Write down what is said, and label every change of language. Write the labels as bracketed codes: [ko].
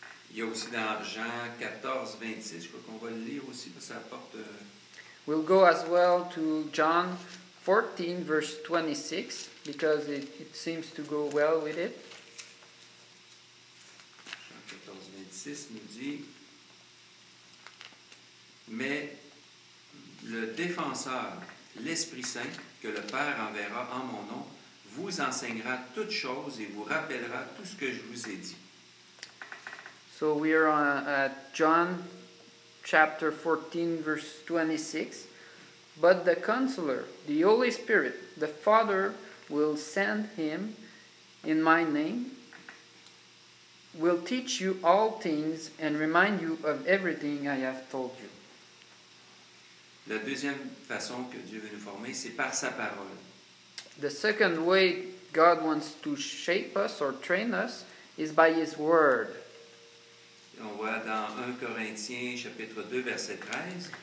[fr] Il y a aussi dans Jean 14, 26, je crois qu'on va le lire aussi, parce que ça apporte... [en] We'll go as well to John 14, verse 26, because it seems to go well with it. [fr] Jean 14, 26 nous dit, « Mais le défenseur, l'Esprit Saint, que le Père enverra en mon nom, vous enseignera toutes choses et vous rappellera tout ce que je vous ai dit. » [en] So we are on at John chapter 14, verse 26. But the Counselor, the Holy Spirit, the Father will send him in my name, will teach you all things and remind you of everything I have told you. [fr] La deuxième façon que Dieu veut nous former, c'est par sa parole. [en] The second way God wants to shape us or train us is by his word. [fr] On voit dans 1 Corinthiens chapitre 2 verset 13.